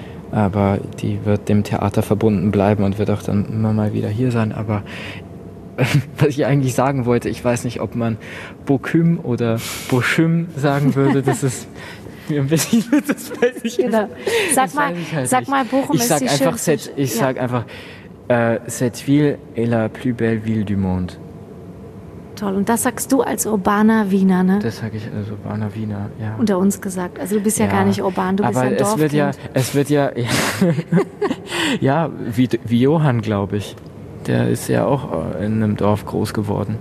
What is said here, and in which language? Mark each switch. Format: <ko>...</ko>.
<de>Aber die wird dem Theater verbunden bleiben und wird auch dann immer mal wieder hier sein. Aber was ich eigentlich sagen wollte, ich weiß nicht, ob man Bochum oder Bochum sagen würde, das ist mir ein bisschen, das weiß ich genau. Sag mal, Bochum ich ist sag die einfach, schönste Stadt. Ich sag einfach,</de> <fr>cette ville est la plus belle ville du monde.</fr> <de>Toll, und das sagst du als urbaner Wiener, ne? Das sag ich als urbaner Wiener, ja. Unter uns gesagt, also du bist ja gar nicht urban, du aber bist ein Dorfkind. Es wird ja ja, wie Johann, glaube ich. Der ist ja auch in einem Dorf groß geworden.</de>